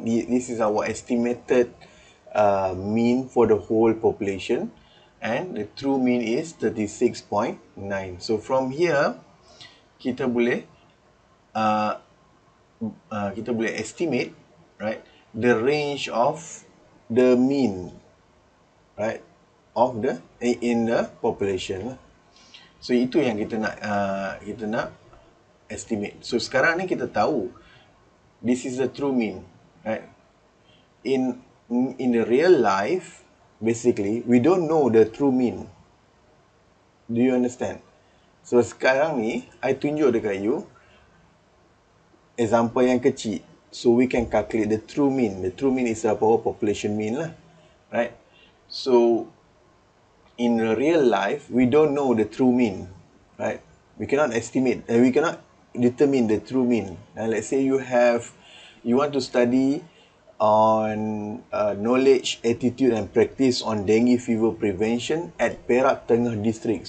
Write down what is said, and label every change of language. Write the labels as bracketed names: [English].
[English] This is our estimated mean for the whole population, and the true mean is 36.9. So from here, [Malay] kita boleh [English] estimate, right, the range of the mean, right, of the in the population. [Malay] So itu yang kita nak estimate. So sekarang ni kita tahu [English] this is the true mean, right? In the real life, basically, we don't know the true mean. Do you understand? [Malay] So, sekarang ni, [English] I [Malay] tunjuk dekat you example yang kecil. [English] So, we can calculate the true mean. The true mean is our population mean lah. Right? So, in the real life, we don't know the true mean. Right? We cannot estimate. We cannot determine the true mean. Now, let's say you want to study on knowledge, attitude and practice on dengue fever prevention at Perak Tengah District.